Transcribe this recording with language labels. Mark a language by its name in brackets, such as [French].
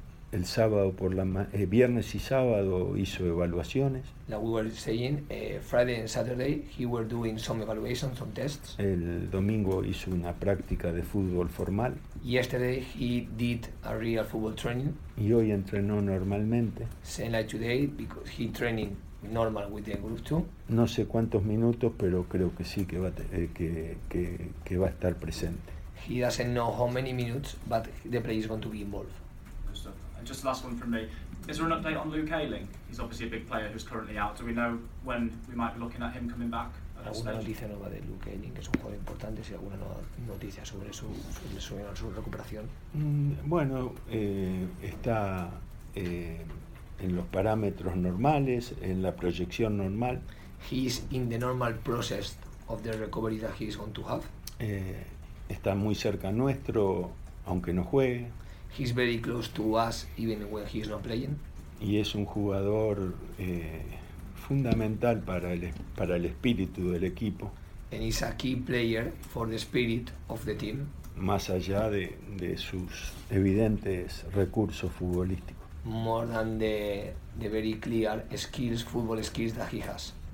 [Spanish] El sábado por la viernes y sábado hizo evaluaciones. [English] Like we were saying, Friday and Saturday he were doing some evaluations, some tests. [Spanish] El domingo hizo una práctica de fútbol formal. [English] Yesterday he did a real football training. [Spanish] Y hoy entrenó normalmente. [English] Same like today because he training normal with the group too. [Spanish] No sé cuántos minutos, pero creo que sí que va a estar presente. [English] He doesn't know how many minutes, but the player is going to be involved. Just last one from me. Is there an update on Luke Ayling? He's obviously a big player who's currently out. Do we know when we might be looking at him coming back? [Spanish] Alguna noticia nueva de Luke Ayling, que es un jugador importante, si alguna nueva noticia sobre su recuperación. Bueno, está en los parámetros normales, en la proyección normal. [English] He's in the normal process of the recovery that he's going to have. [Spanish] Está muy cerca nuestro, aunque no juegue. [English] He's very close to us, even when he's not playing. [Spanish] Y es un jugador fundamental para el espíritu del equipo. [English] And he's a key player for the spirit of the team. [Spanish] Más allá de sus evidentes recursos futbolísticos. [English] More than the very clear skills, football skills that he has.